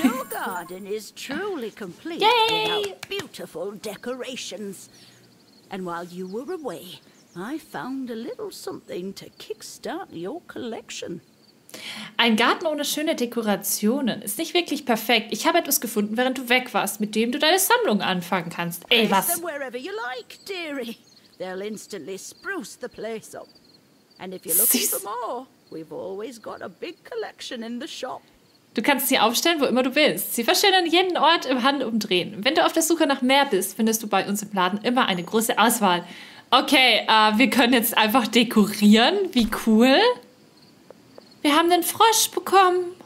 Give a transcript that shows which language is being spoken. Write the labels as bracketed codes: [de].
[en] Garden is truly complete without beautiful decorations. And while you were away, I found a little something to kickstart your collection. [de] Ein Garten ohne schöne Dekorationen ist nicht wirklich perfekt. Ich habe etwas gefunden, während du weg warst, mit dem du deine Sammlung anfangen kannst. Ey, was? [en] Place them wherever you like, dearie. They'll instantly spruce the place up. And if you're looking for more, we've always got a big collection in the shop. [de] Du kannst sie aufstellen, wo immer du willst. Sie verschönern jeden Ort im Handel umdrehen. Wenn du auf der Suche nach mehr bist, findest du bei uns im Laden immer eine große Auswahl. Okay, wir können jetzt einfach dekorieren. Wie cool. Wir haben den Frosch bekommen.